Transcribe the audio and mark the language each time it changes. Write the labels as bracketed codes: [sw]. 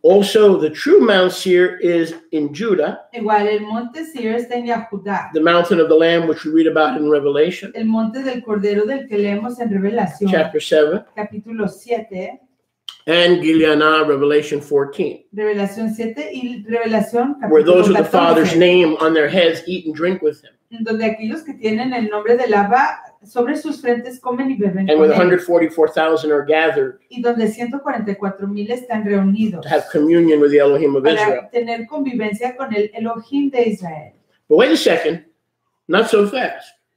[en] Also, the true Mount Seir is in Judah. [es] Igual el Monte Seir está en Yahudá. [en] The mountain of the Lamb, which we read about in Revelation. [es] El Monte del Cordero del que leemos en Revelación. [en] Chapter 7. [es] Capítulo 7. [en] And Gileana, Revelation 14. [es] Revelación 7 y Revelación capítulo 14. [en] Where those with the Father's name on their heads eat and drink with him. [es] Donde aquellos que tienen el nombre del Abba sobre sus frentes comen y beben. [en] And where 144,000 are gathered. [es] Y donde 144,000 están reunidos. [en] To have communion with the Elohim of [es] para [en] Israel. [es] Para tener convivencia con el Elohim de Israel. [en] But wait a second. Not so fast.